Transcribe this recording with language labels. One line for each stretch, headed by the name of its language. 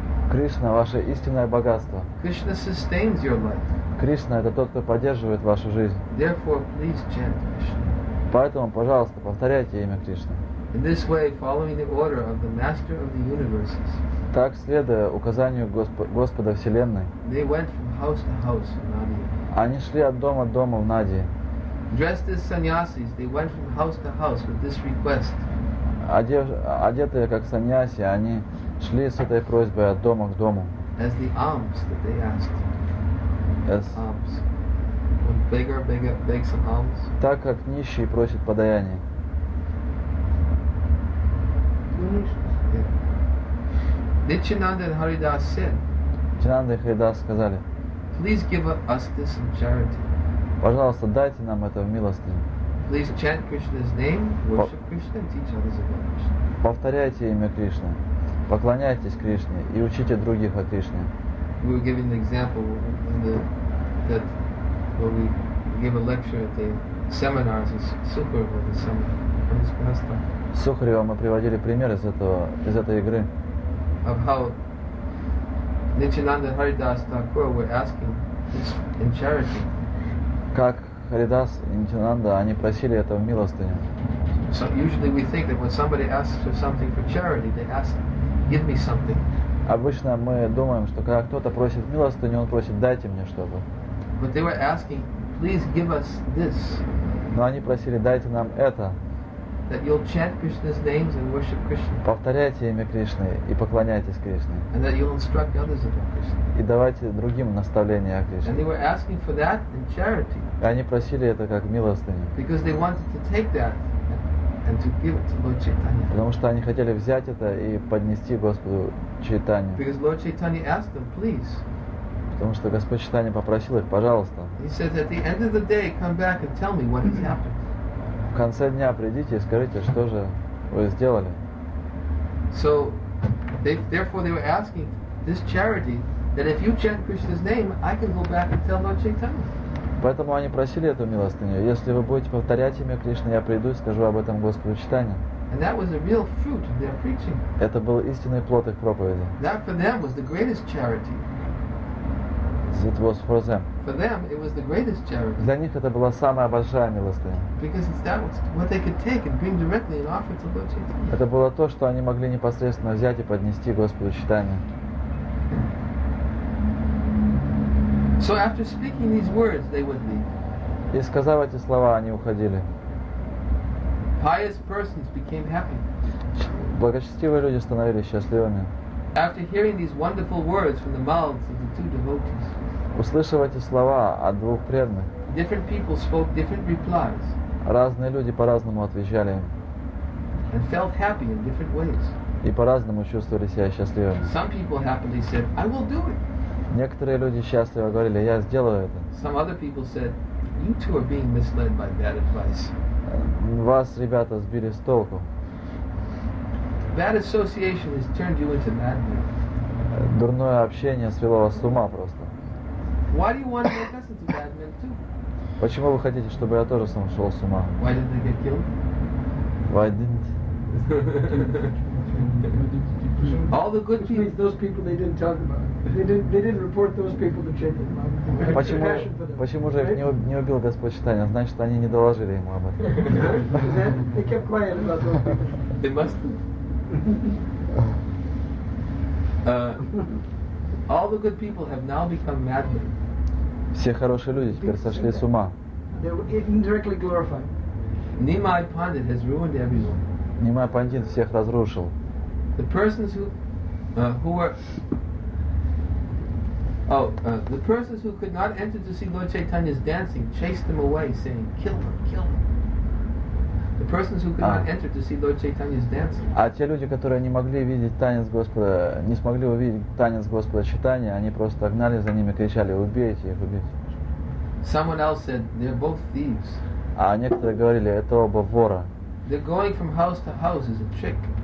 Russian: Кришна ваше истинное богатство.
English: Krishna sustains your life.
Russian: Кришна это тот, кто поддерживает вашу жизнь.
English: Therefore, please chant Krishna.
Russian: Поэтому, пожалуйста, повторяйте имя Кришны.
English: In this way, following the order of the Master of the Universes.
Russian: Так, следуя указанию Господа Вселенной.
English: They went from house to house in Nadia.
Russian: Они шли от дома к дому в Надии.
English: Dressed as sannyasis, they went from house to house with this request.
Russian: Одетые как саньяси, они шли с этой просьбой от дома к дому.
English: As the alms that they asked. As alms. When beggar begs an alms.
Russian: Так как нищий просит подаяние.
English: Nityananda and Haridas said.
Russian: Nityananda и Haridas сказали.
English: Please give us this in charity.
Russian: Пожалуйста, дайте нам это в милостыню.
English: Please chant Krishna's name, worship Krishna, and teach others about Krishna.
Russian: Повторяйте имя Кришны, поклоняйтесь Кришне и учите других о Кришне.
English: We were giving an example in the that where we give a lecture at the seminars in Sukhriva, the seminar on his pastime.
Russian: Сухарева мы приводили пример из этой игры.
English: Of how Nityananda Haridas Thakur were asking this in charity.
Russian: Как Харидас и Нитинанда, они просили это в милостыню.
English: So usually we think that when somebody asks for something for charity, they ask, give me something.
Russian: Обычно мы думаем, что когда кто-то просит милостыню, он просит, дайте мне что-то.
English: But they were asking, please give us this.
Russian: Но они просили, дайте нам это.
English: That you'll chant Krishna's names and worship Krishna.
Russian: Повторяйте имя Кришны и поклоняйтесь Кришне.
English: And that you'll instruct others about Krishna.
Russian: И давайте другим наставления о Кришне.
English: And they were asking for that in charity.
Russian: И они просили это как милостыню.
English: Because they wanted to take that and to give it to Lord Chaitanya.
Russian: Потому что они хотели взять это и поднести Господу Чайтанье.
English: Because Lord Chaitanya asked them, please.
Russian: Потому что Господь Чайтанья попросил их, пожалуйста.
English: He said, at the end of the day, come back and tell me what has happened.
Russian: В конце дня придите и скажите, что же вы сделали.
English: So, therefore they were asking this charity that if you chant Krishna's name, I can go back and tell Lord Chaitanya.
Russian: Поэтому они просили эту милостыню. Если вы будете повторять имя Кришны, я приду и скажу об этом Господу Чайтанье.
English: And that was a real fruit of their preaching.
Russian: Это был истинный плод их проповеди.
English: That for them was the greatest charity. It was for them. For them, it was the greatest charity.
Russian: Для них это была самая большая милостыня.
English: Because that was what they could take and bring directly and offer to Lord Chaitanya.
Russian: Это было то, что они могли непосредственно взять и поднести Господу Чайтанье.
English: So after speaking these words, they would leave.
Russian: И сказав эти слова, они уходили.
English: Pious persons became happy.
Russian: Благочестивые люди становились счастливыми.
English: After hearing these wonderful words from the mouths of the two devotees.
Russian: Услышав эти слова от двух преданных.
English: Different people spoke different replies.
Russian: Разные люди по-разному отвечали им.
English: And felt happy in different ways.
Russian: И по-разному чувствовали себя счастливыми.
English: Some people happily said, I will do it.
Russian: Некоторые люди счастливо говорили, я сделаю это.
English: Some other people said, you two are being misled by bad advice.
Russian: Вас, ребята, сбили с толку.
English: Bad association has turned you into madmen.
Russian: Дурное общение свело вас с ума просто.
English: Why do you want to make us into madmen too?
Russian: Почему вы хотите, чтобы я тоже сам шел с ума?
English: Why didn't they get killed? Why didn't? All the good people, those people they didn't talk about. They didn't report those people to Chaitanya Mahaprabhu.
Russian: Почему же их не убил Господь Чайтанья? Значит, они не доложили ему об этом.
English: They kept quiet about those people. They must have. All the good people have now become madmen.
Russian: Все хорошие люди теперь сошли с ума.
English: They were indirectly glorified. Nimai Pandit has ruined everyone.
Russian: Нима Пандит всех разрушил.
English: The persons who were the persons who could not enter to see Lord Chaitanya's dancing chased them away, saying, "Kill them, kill them." The persons who could not enter to see Lord Chaitanya's dancing.
Russian: А те люди, которые не могли видеть танец Господа, не смогли увидеть танец Господа Чайтанья, они просто гнали за ними, кричали: "Убейте их, убейте!"
English: Someone else said, "They're both thieves."
Russian: А некоторые говорили: "Это оба вора."
English: They're going from house to house is a trick.